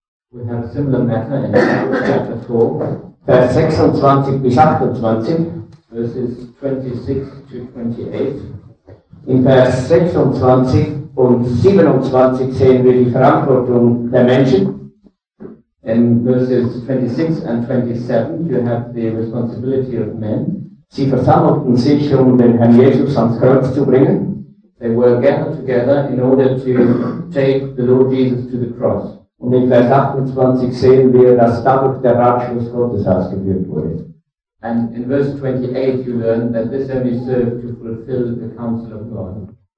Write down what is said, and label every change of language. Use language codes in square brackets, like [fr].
[en] We have a similar matter in chapter 4. [de] Vers 26 bis 28. [en] Verses 26 to 28. [de] In Vers 26 und 27 sehen wir die Verantwortung der Menschen. [en] In verses 26 and 27 you have the responsibility of men. [de] Sie versammelten sich, um den Herrn Jesus ans Kreuz zu bringen. [en] They were gathered together in order to take the Lord Jesus to the cross. [de] Und in Vers 28 sehen wir, dass dadurch der Ratschluss Gottes ausgeführt wurde. [en] And in verse 28 you learn that this only served to fulfill the counsel of God.